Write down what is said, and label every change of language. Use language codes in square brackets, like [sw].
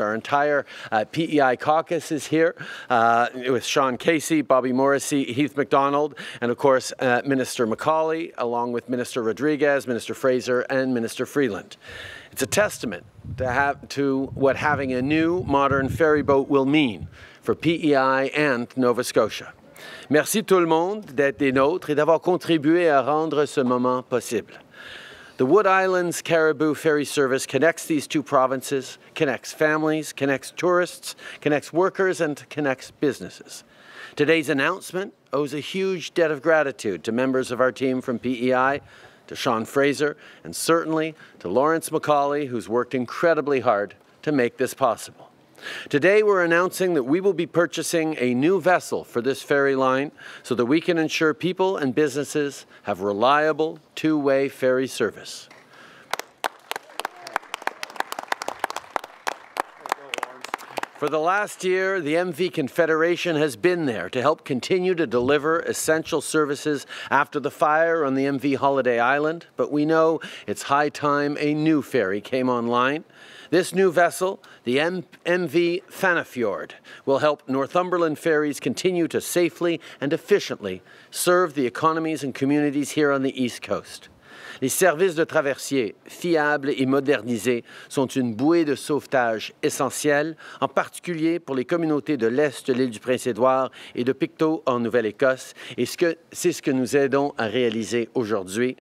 [en] Our entire PEI caucus is here with Sean Casey, Bobby Morrissey, Heath MacDonald, and of course, Minister McCauley, along with Minister Rodriguez, Minister Fraser, and Minister Freeland. It's a testament to what having a new modern ferry boat will mean for PEI and Nova Scotia. [fr] Merci tout le monde d'être des nôtres et d'avoir contribué à rendre ce moment possible. [en] The Wood Islands Caribou Ferry Service connects these two provinces, connects families, connects tourists, connects workers, and connects businesses. Today's announcement owes a huge debt of gratitude to members of our team from PEI, to Sean Fraser, and certainly to Lawrence McCauley, who's worked incredibly hard to make this possible. Today, we're announcing that we will be purchasing a new vessel for this ferry line so that we can ensure people and businesses have reliable two-way ferry service. For the last year, the MV Confederation has been there to help continue to deliver essential services after the fire on the MV Holiday Island, but we know it's high time a new ferry came online. This new vessel, the MV Fanafjord, will help Northumberland ferries continue to safely and efficiently serve the economies and communities here on the East Coast. [fr] Les services de traversier, fiables et modernisés, sont une bouée de sauvetage essentielle, en particulier pour les communautés de l'Est de l'Île-du-Prince-Édouard et de Pictou en Nouvelle-Écosse. Et c'est ce que nous aidons à réaliser aujourd'hui.